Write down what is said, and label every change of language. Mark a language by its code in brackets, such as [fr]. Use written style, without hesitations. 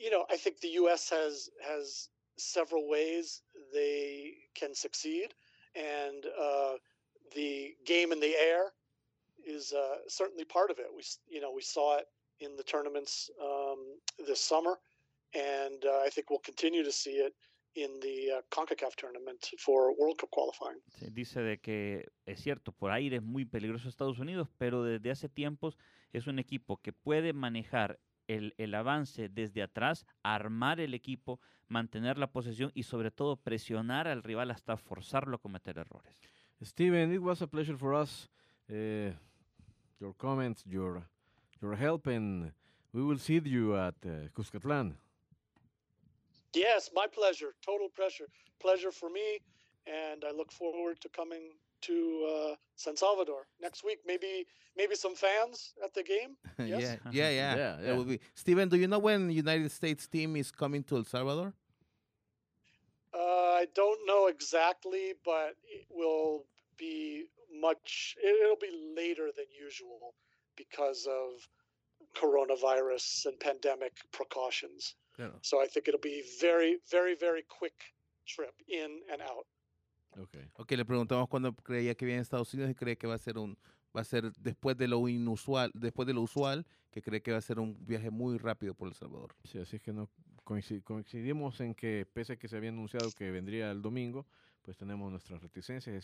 [en] I think the U.S. has several ways they can succeed, and the game in the air is certainly part of it. We saw it in the tournaments this summer, and I think we'll continue to see it in the CONCACAF tournament for World Cup qualifying. [es] Se dice de que es cierto, por aire es muy peligroso Estados Unidos, pero desde hace tiempos es un equipo que puede manejar el avance desde atrás, armar el equipo, mantener la posesión y sobre todo presionar al rival hasta forzarlo a cometer errores. [en] Steven, it was a pleasure for us. Your comments, your help, and we will see you at Cuscatlán. Yes, my pleasure. Total pleasure. Pleasure for me, and I look forward to coming to San Salvador next week. Maybe some fans at the game. Yes. Yeah. It will be. Steven, do you know when United States team is coming to El Salvador? I don't know exactly, but it will be it'll be later than usual because of coronavirus and pandemic precautions. Yeah. So I think it'll be very, very, very quick trip in and out. Okay. [es] Le preguntamos cuándo creía que viene a Estados Unidos y cree que va a ser después de lo inusual, después de lo usual, que cree que va a ser un viaje muy rápido por El Salvador. Sí, así es que no coincidimos en que pese a que se había anunciado que vendría el domingo, pues tenemos nuestras reticencias.